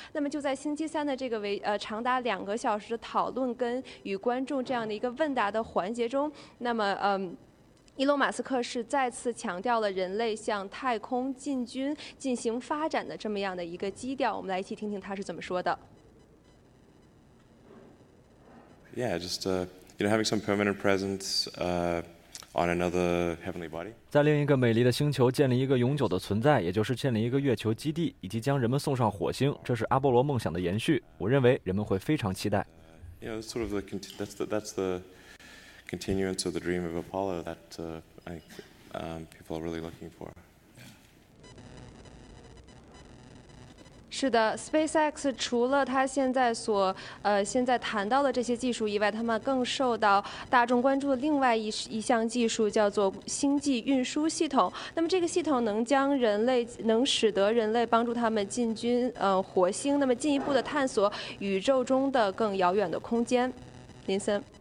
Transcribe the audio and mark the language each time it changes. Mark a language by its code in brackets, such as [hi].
[zh] 那么就在星期三的这个长达两个小时的讨论跟与观众这样的一个问答的环节中，那么伊隆马斯克是再次强调了人类向太空进军进行发展的这么样的一个基调。我们来一起听听他是怎么说的。 [en] Yeah, just having some permanent presence on another heavenly body. [zh] 在另一个美丽的星球建立一个永久的存在，也就是建立一个月球基地，以及将人们送上火星，这是阿波罗梦想的延续。我认为人们会非常期待。 [en] That's the continuance of the dream of Apollo that I think people are really looking for. [zh] 是的 ，SpaceX 除了他现在所现在谈到的这些技术以外，他们更受到大众关注的另外一项技术叫做星际运输系统。那么这个系统能使得人类帮助他们进军火星，那么进一步的探索宇宙中的更遥远的空间。林森，